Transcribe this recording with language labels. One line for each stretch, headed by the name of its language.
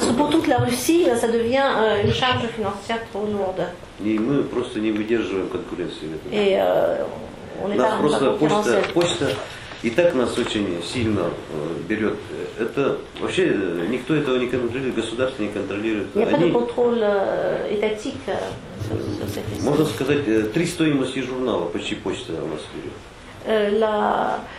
French: Parce que pour toute la Russie, ça devient une charge financière trop lourde.
Russian: И мы просто не выдерживаем конкуренции.
French: Et on est
Russian: просто почта и так нас очень сильно берет. Это вообще никто этого не контролирует, государство не контролирует.
French: Il n'y a pas de contrôle étatique sur cette question.
Russian: Можно сказать, три стоимости журнала почти почта у нас берет.